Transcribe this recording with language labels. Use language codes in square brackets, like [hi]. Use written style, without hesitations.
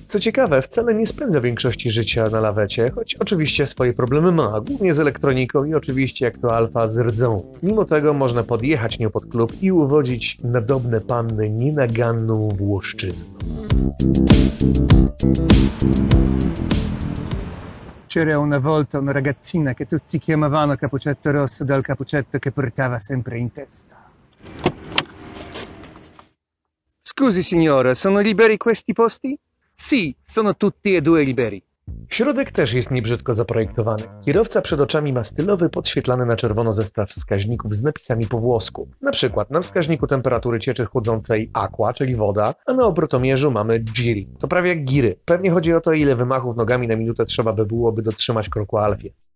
[pl] Co ciekawe, wcale nie spędza większości życia na lawecie, choć oczywiście swoje problemy ma, głównie z elektroniką i oczywiście, jak to Alfa, z rdzą. Mimo tego można podjechać nią pod klub i uwodzić na podobne panny nienaganną włoszczyzną. [it] C'era una volta una ragazzina che tutti chiamavano Cappuccetto Rosso dal cappuccetto che portava sempre in testa. Scusi signora, sono liberi questi posti? Sì, sono tutti e due liberi. [pl] Środek też jest niebrzydko zaprojektowany. Kierowca przed oczami ma stylowy, podświetlany na czerwono zestaw wskaźników z napisami po włosku. Na przykład na wskaźniku temperatury cieczy chłodzącej aqua, czyli woda, a na obrotomierzu mamy giri. To prawie jak giry. Pewnie chodzi o to, ile wymachów nogami na minutę trzeba by było, by dotrzymać kroku Alfie.